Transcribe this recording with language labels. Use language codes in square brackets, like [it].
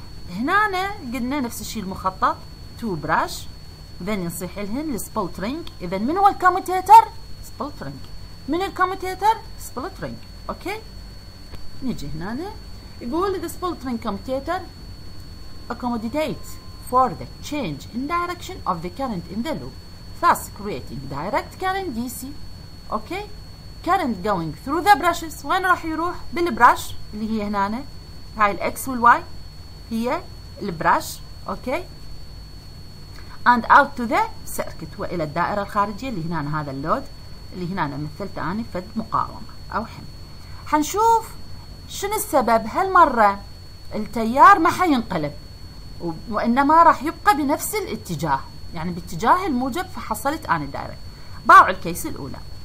[ar] هنا قلنا نفس الشيء المخطط [en] to brush, [ar] ذن نصيح لهن السبلت رينج. اذا من هو الكوميتيتر؟ سبلت رينج. من الكوميتيتر؟ سبلت رينج. اوكي، نجي هنا يقول [en] The split ring commutator accommodates for the change in direction of the current in the loop, thus creating direct current DC. Okay, current going through the brushes. [ar] وين راح يروح بالبرش اللي هي هنا هاي الاكس والواي هي البرش. [en] Okay, and out to the circuit [ar] وإلى الدائرة الخارجية اللي هنا هذا اللود اللي هنا مثلت أنا فد مقاومة أو حمل. حنشوف شنو السبب هالمرة التيار ما حينقلب وإنما راح يبقى بنفس الاتجاه يعني باتجاه الموجب فحصلت أنا الدائرة. باعوا الكيس الأولى.